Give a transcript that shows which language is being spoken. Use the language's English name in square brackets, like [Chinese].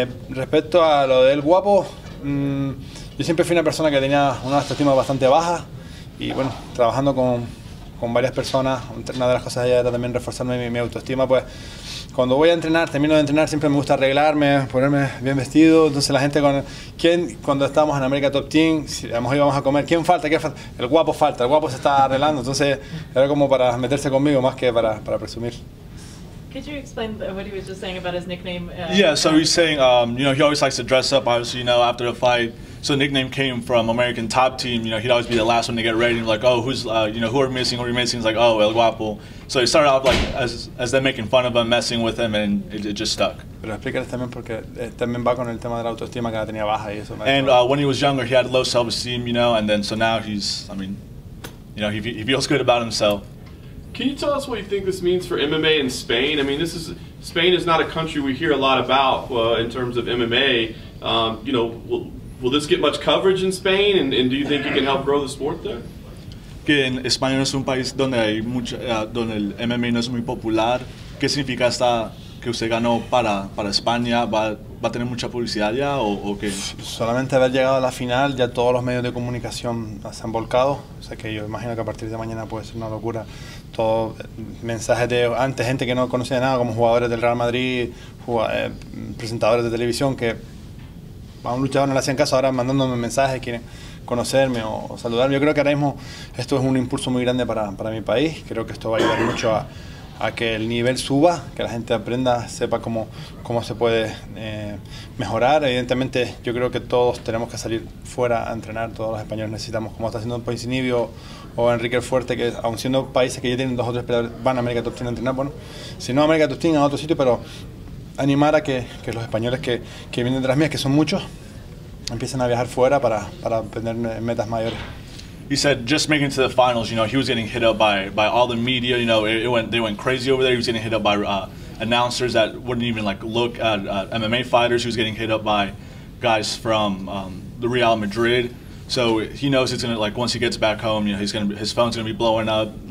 [Spanish] Respecto a lo del Guapo, yo siempre fui una persona que tenía una autoestima bastante baja y, bueno, trabajando con varias personas, una de las cosas ya era también reforzarme mi autoestima. Pues cuando voy a entrenar, termino de entrenar, siempre me gusta arreglarme, ponerme bien vestido. Entonces la gente, cuando estábamos en América Top Team, si a lo mejor íbamos a comer, ¿quién falta? ¿Qué falta? El Guapo falta, el Guapo se está arreglando. Entonces era como para meterse conmigo más que para presumir. [English] Could you explain what he was just saying about his nickname? Yeah, so he's saying, you know, he always likes to dress up. Obviously, you know, after a fight, So the nickname came from American Top Team. You know, he'd always be the last one to get ready. And like, oh, who's, you know, who are missing? Who are you missing? He's like, oh, El Guapo. So he started off like as them making fun of him, messing with him, and it just stuck. [Spanish] Pero explícale también porque también va con el tema de la autoestima que la tenía baja y eso. [English] And when he was younger, he had low self-esteem, you know, and then so now he's, I mean, you know, he feels good about himself. Can you tell us what you think this means for MMA in Spain? I mean, this is Spain is not a country we hear a lot about in terms of MMA. You know, will this get much coverage in Spain? And do you think it can help grow the sport there? [Spanish] Que en España no es un país donde hay mucho, donde el MMA no es muy popular. ¿Qué significa esta que usted ganó para España? ¿Va a tener mucha publicidad ya o qué? Solamente haber llegado a la final, ya todos los medios de comunicación se han volcado. O sea que yo imagino que a partir de mañana puede ser una locura. Todos mensajes de antes, gente que no conocía nada, como jugadores del Real Madrid, presentadores de televisión que a un luchador no le hacían caso, ahora mandándome mensajes, quieren conocerme o saludarme. Yo creo que ahora mismo esto es un impulso muy grande para mi país. Creo que esto va a ayudar mucho a que el nivel suba, que la gente aprenda, sepa cómo se puede mejorar. Evidentemente, yo creo que todos tenemos que salir fuera a entrenar, todos los españoles necesitamos, como está haciendo el Poinsinibio o Enrique el Fuerte, que aun siendo países que ya tienen dos o tres peleadores, van a América Top Team a entrenar, bueno, si no a América Top Team, a otro sitio, pero animar a que los españoles que vienen detrás mías, que son muchos, empiecen a viajar fuera para tener metas mayores. [English] He said, just making it to the finals, you know, he was getting hit up by all the media, you know, they went crazy over there. He was getting hit up by announcers that wouldn't even, like, look at MMA fighters. He was getting hit up by guys from the Real Madrid. So he knows it's going to, like, once he gets back home, you know, his phone's going to be blowing up.